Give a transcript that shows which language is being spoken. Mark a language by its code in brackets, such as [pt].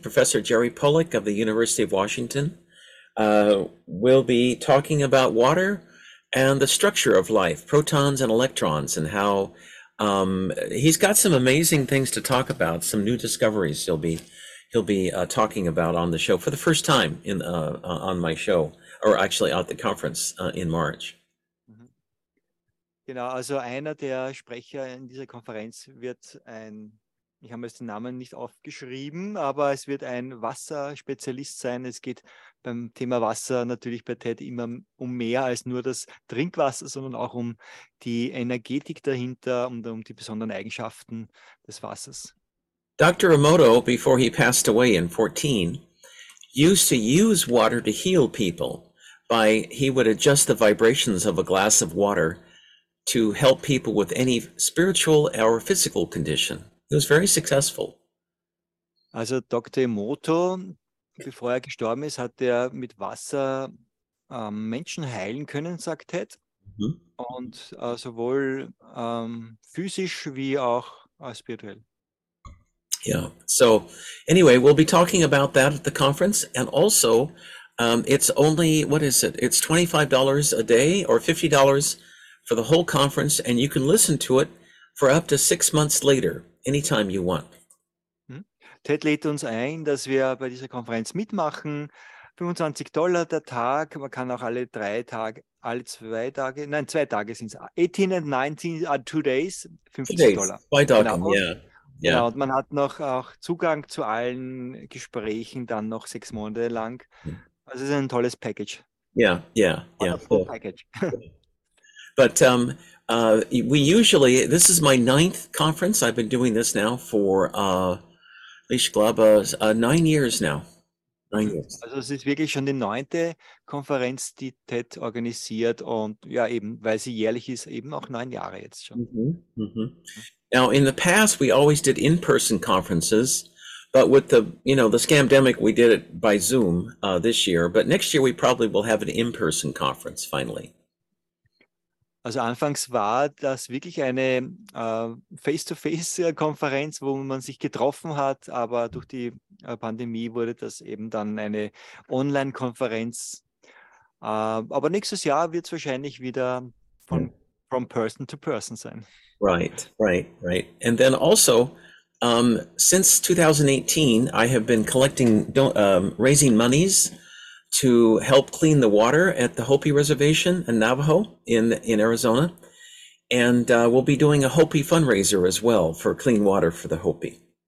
[en] Professor Jerry Pollack of the University of Washington will be talking about water and the structure of life, protons and electrons, and how he's got some amazing things to talk about, some new discoveries he'll be talking about on the show for the first time on my show, or actually at the conference in March. [de] Genau, also einer der Sprecher in dieser Konferenz wird ein, ich habe jetzt den Namen nicht aufgeschrieben, aber es wird ein Wasserspezialist sein. Es geht beim Thema Wasser natürlich bei TED immer um mehr als nur das Trinkwasser, sondern auch um die Energetik dahinter und um die besonderen Eigenschaften des Wassers. [en] Dr. Emoto, before he passed away in 14, used to use water to heal people by he would adjust the vibrations of a glass of water to help people with any spiritual or physical condition. He was very successful. [de] Also Dr. Emoto, bevor er gestorben ist, hat er mit Wasser Menschen heilen können, sagt Ted. Und sowohl physisch wie auch spirituell. [en] Yeah. So anyway, we'll be talking about that at the conference. And also, it's only, what is it? It's $25 a day or $50 for the whole conference, and you can listen to it for up to 6 months later, anytime you want. [de] Ted lädt uns ein, dass wir bei dieser Konferenz mitmachen. $25 der Tag. Man kann auch alle 2 Tage, nein, 2 Tage sind es. [en] 18 and 19 are 2 days, Today's $50. by [de] Genau. [en] talking, yeah. [de] Genau. Und man hat noch auch Zugang zu allen Gesprächen dann noch 6 Monate lang. Also es ist ein tolles Package. [en] Wonderful package. But we usually, this is my ninth conference. I've been doing this now for Lishglaba 9 years now. 9 years. [de] Also es ist wirklich schon die 9. Konferenz, die TED organisiert und ja eben, weil sie jährlich ist, eben auch 9 Jahre jetzt schon. [en] Now, in the past, we always did in-person conferences, but with the scamdemic, we did it by Zoom this year. But next year, we probably will have an in-person conference finally. [de] Also anfangs war das wirklich eine Face-to-Face-Konferenz, wo man sich getroffen hat, aber durch die Pandemie wurde das eben dann eine Online-Konferenz. Aber nächstes Jahr wird es wahrscheinlich wieder [en] from person to person [de] sein. [en] Right. And then also, since 2018, I have been collecting, raising monies to help clean the water at the Hopi Reservation in Navajo in Arizona. And we'll be doing a Hopi fundraiser as well for clean water for the Hopi.